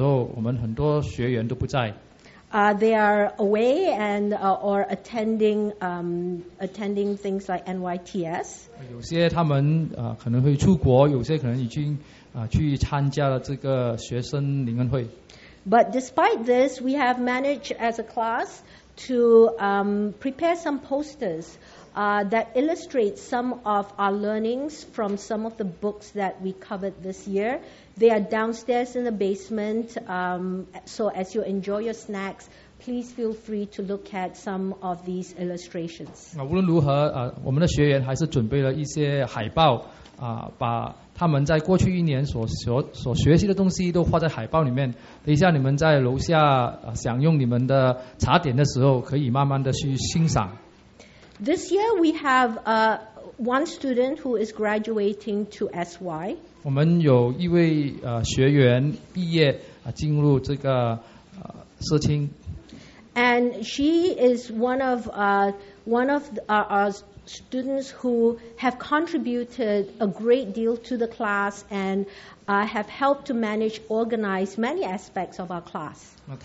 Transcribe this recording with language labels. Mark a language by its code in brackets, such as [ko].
[zh] 最巨大挑战的就是在夏天的时候，我们很多学员都不在。 [en] They are away and or attending things like NYTS. [zh] 有些他们可能会出国，有些可能已经去参加了这个学生灵恩会。 [en] But despite this, we have managed as a class to prepare some posters that illustrate some of our learnings from some of the books that we covered this year. They are downstairs in the basement, so as you enjoy your snacks, please feel free to look at some of these illustrations. [zh] 无论如何, 我们的学员还是准备了一些海报, 把他们在过去一年所学习的东西都画在海报里面, 等一下你们在楼下, 享用你们的茶点的时候, 可以慢慢的去欣赏。 [en] This year we have one student who is graduating to SY. [zh] 我们有一位, 学员毕业, 进入这个, 社厅。 [en] And she is one of our students who have contributed a great deal to the class and have helped to manage, organize many aspects of our class.